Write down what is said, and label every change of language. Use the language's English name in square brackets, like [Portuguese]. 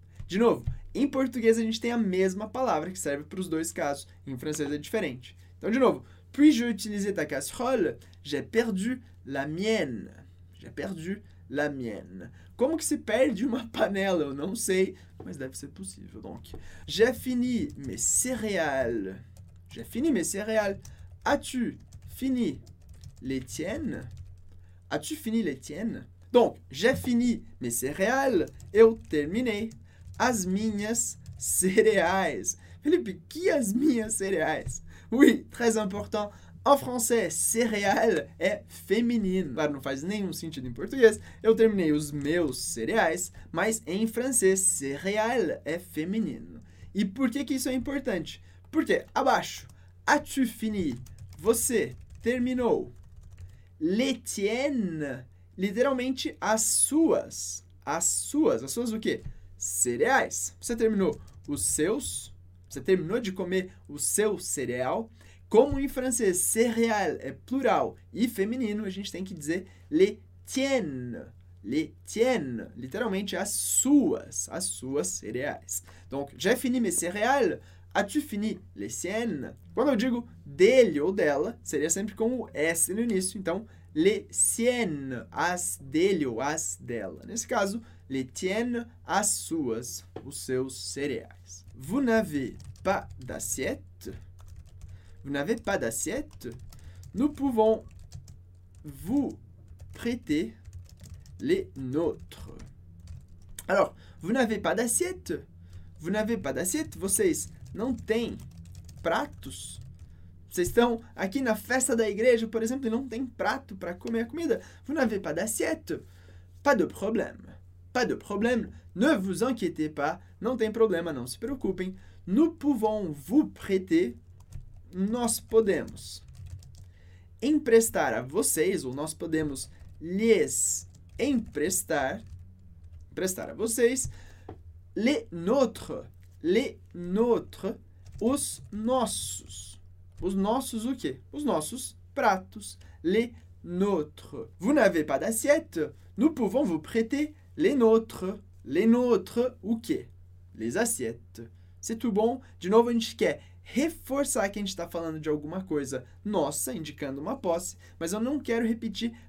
[Portuguese] De novo, em português a gente tem a mesma palavra que serve para os dois casos, em francês é diferente. Então, de novo, [French] puis-je utiliser ta casserole? J'ai perdu la mienne. J'ai perdu la mienne. [Portuguese] Como que se perde uma panela? Eu não sei, mas deve ser possível. [French] Donc, j'ai fini mes céréales. J'ai fini mes céréales. As-tu fini les tiennes? As-tu fini les tiennes? Donc, j'ai fini mes céréales. [Portuguese] Eu terminei as minhas céréales. Felipe, que as minhas céréales? [French] Oui, très important. En français, [Portuguese] céréale é feminino. Claro, não faz nenhum sentido em português. Eu terminei os meus cereais, mas em francês, céréale é feminino. E por que que isso é importante? Porque, abaixo, [French] as-tu fini? [Portuguese] Você terminou. [French] Les tiennes, [Portuguese] literalmente, as suas. As suas. As suas o quê? Cereais. Você terminou os seus. Você terminou de comer o seu cereal. Como em francês, céréales é plural e feminino, a gente tem que dizer [French] les tiennes, [Portuguese] literalmente as suas cereais. [French] Donc, j'ai fini mes céréales, as-tu fini les siennes? [Portuguese] Quando eu digo dele ou dela, seria sempre com o S no início, então, [French] les siennes, [Portuguese] as dele ou as dela. Nesse caso, [French] les tiennes, [Portuguese] as suas, os seus cereais. [French] Vous n'avez pas d'assiette? Vous n'avez pas d'assiette? Nous pouvons vous prêter les nôtres. Alors, vous n'avez pas d'assiette? Vous n'avez pas d'assiette? [Portuguese] Vocês não têm pratos? Vocês estão aqui na festa da igreja, por exemplo, e não têm prato para comer a comida? [French] Vous n'avez pas d'assiette? Pas de problème. Pas de problème. Ne vous inquiétez pas. [Portuguese] Não tem problema, não se preocupem. [French] Nous pouvons vous prêter. [Portuguese] Nós podemos emprestar a vocês, ou nós podemos lhes emprestar, emprestar a vocês, [French] les nôtres, [Portuguese] os nossos o quê? Os nossos pratos, [French] les nôtres. Vous n'avez pas d'assiette, nous pouvons vous prêter les nôtres [Portuguese] o quê? [French] Les assiettes. C'est tout bon? [Portuguese] De novo, a gente quer reforçar que a gente está falando de alguma coisa nossa, indicando uma posse, mas eu não quero repetir